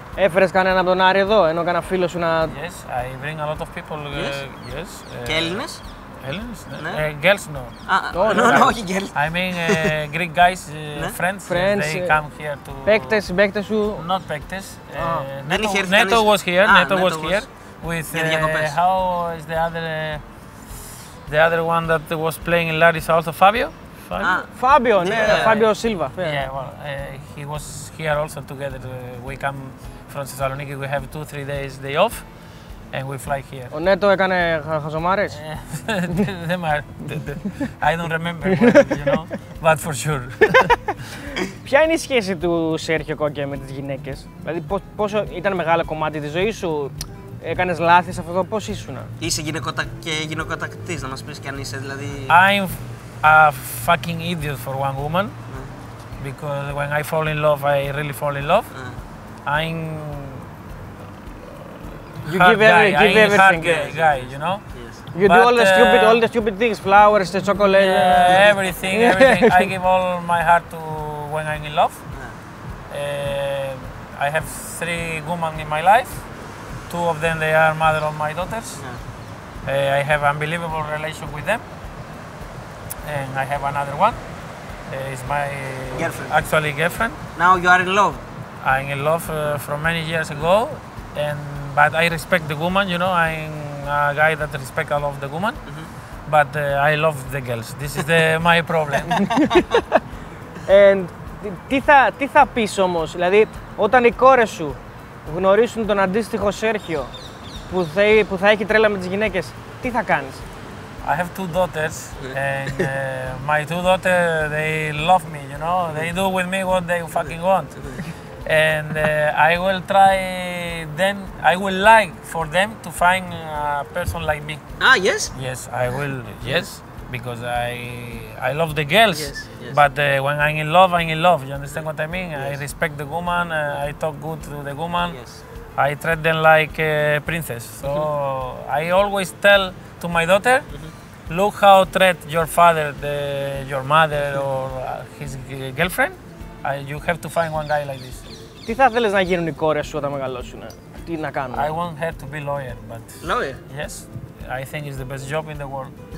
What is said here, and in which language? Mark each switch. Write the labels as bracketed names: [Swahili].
[Greek] Έφερες κανέναν από τον Άρη εδώ, ενώ κανένα φίλο σου να... [English] Yes, I bring a lot of people. Yes. [Greek] Και Έλληνες. Έλληνες, ναι. [English] Girls, no. [Greek] Όχι girls. [English] I mean Greek guys, friends, friends, they come here to... [Greek] Παίκτες, παίκτες σου. [English] Not παίκτες. Neto was here, Neto was here. With how is the other one that was playing in Larissa also, Fabio? Fabio, Fabio Silva. Yeah, well, he was here also together. We come from Thessaloniki, we have 2-3 days day off. And we fly here. [Greek] Ο Νέτο έκανε χαζομάρες. Δεν μάρει. [English] I don't remember, you know, but for sure. [Greek] Ποια είναι η σχέση του Σέρχιο Κόκε με τις γυναίκες? Δηλαδή, πόσο ήταν μεγάλο κομμάτι της ζωής σου, έκανες λάθη σε αυτό το πώς ήσουν? Είσαι γυναικοτακτής, να μας πεις κι αν είσαι, δηλαδή... [English] I'm a fucking idiot for one woman, because when I fall in love, I really fall in love. I'm... You give everything, guy. You know. Yes. You do all the stupid things, flowers, the chocolate. Yeah, everything. I give all my heart to when I'm in love. Yeah. I have 3 women in my life. 2 of them they are mother of my daughters. Yeah. I have unbelievable relation with them. And I have another one. It's my girlfriend. Actually girlfriend. Now you are in love. I'm in love from many years ago, and. But I respect the woman, you know, I'm a guy that respects a lot of the woman. Mm-hmm. But I love the girls. This is my problem. [Greek] And τι θα πεις όμως, δηλαδή, όταν οι κόρες σου γνωρίσουν τον αντίστοιχο Σέρχιο που θα έχει τρέλα με τις γυναίκες, τι θα κάνεις? [English] I have 2 daughters and my 2 daughters, they love me, you know. They do with me what they fucking want. And I will try then, I will like for them to find a person like me. Ah, yes? Yes, I will, yes, because I love the girls. Yes, yes. But when I'm in love, I'm in love. You understand what I mean? Yes. I respect the woman, I talk good to the woman. Yes. I treat them like a princess. So I always tell to my daughter, look how treat your father, your mother or his girlfriend. You have to find one guy like this. [Greek] Τι θα θέλεις να γίνουν οι κόρες σου όταν μεγαλώσουν, τι να κάνουν? [English] I want her to be lawyer, but... Lawyer? Yes, I think it's the best job in the world.